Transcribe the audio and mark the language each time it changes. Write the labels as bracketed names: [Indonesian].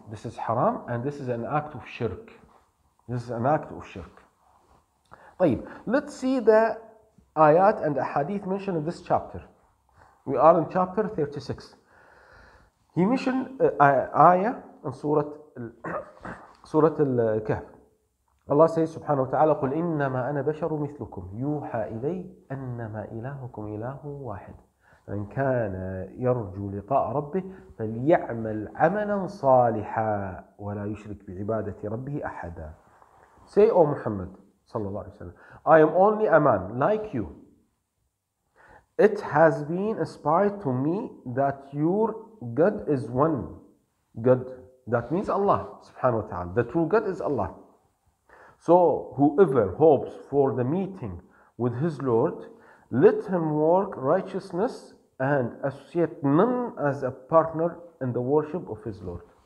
[English] This is haram, and this is an act of shirk. This is an act of shirk. طيب, let's see the ayat and the hadith mentioned in this chapter. We are in chapter 36. He mentioned ayah in Surah Al-Kahf. Allah says, subhanahu wa ta'ala, [Arabic] قُلْ إِنَّمَا أَنَا بَشَرٌ مِثْلُكُمْ يُوحَى إِلَيْ أَنَّمَا إِلَهُكُمْ إِلَهُ وَاحِدٌ مَنْ كَانَ يَرْجُو لِقَاءَ رَبِّهِ فَلْيَعْمَلْ عَمَلًا صَالِحًا وَلَا يُشْرِكْ بِعِبَادَةِ رَبِّهِ أَحَدًا. [English] Say, O Muhammad, sallallahu alayhi wa sallam, I am only a man like you. It has been inspired to me that your God is one God. That means Allah subhanahu wa ta'ala. The true God is Allah. So whoever hopes for the meeting with his Lord, let him work righteousness and associate none as a partner in the worship of his Lord.